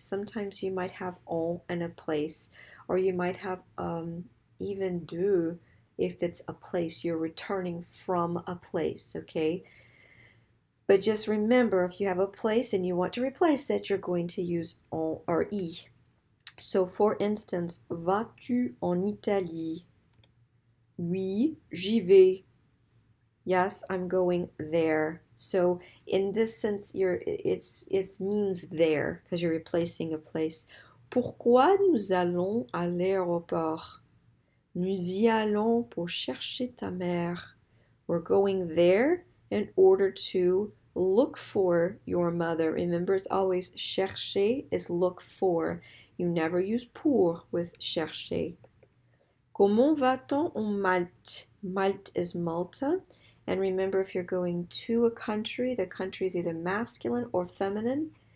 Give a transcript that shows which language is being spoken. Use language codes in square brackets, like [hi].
[en] Sometimes you might have en and a place, or you might have even de if it's a place. You're returning from a place, okay? But just remember, if you have a place and you want to replace it, you're going to use en or e. [fr] So, for instance, vas-tu en Italie? Oui, j'y vais. [en] Yes, I'm going there. So, in this sense, it means there, because you're replacing a place. [fr] Pourquoi nous allons à l'aéroport? Nous y allons pour chercher ta mère. [en] We're going there in order to look for your mother. Remember, it's always chercher is look for. You never use pour with chercher. [fr] Comment va-t-on en Malte? [en] Malte is Malta. And remember, if you're going to a country, the country is either masculine or feminine.